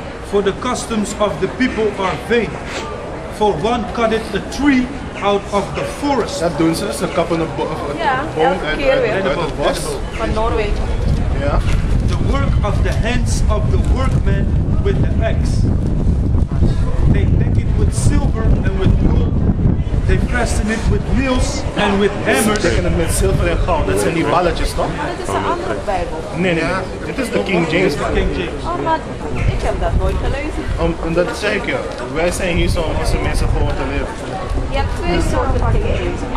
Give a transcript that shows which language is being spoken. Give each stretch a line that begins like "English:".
English: For the customs of the people are vain. For one cut it a tree out of the forest.
Dutch: Dat doen ze, ze kappen een boom uit het bos. Van Noorwegen.
English: Yeah. The work of the hands of the workmen with the axe. They make it with silver and with gold. They fasten it with nails and with hammers.
Dutch: Ze tekenen met zilver en goud. Dat zijn die balletjes toch? Maar dat is een andere Bijbel. Nee. Dit is de King James Bijbel. King James. Oh, maar ik heb dat nooit gelezen. En dat zeg ik je. Wij zijn hier zo om onze mensen gewoon te leren. Je hebt twee soorten King James.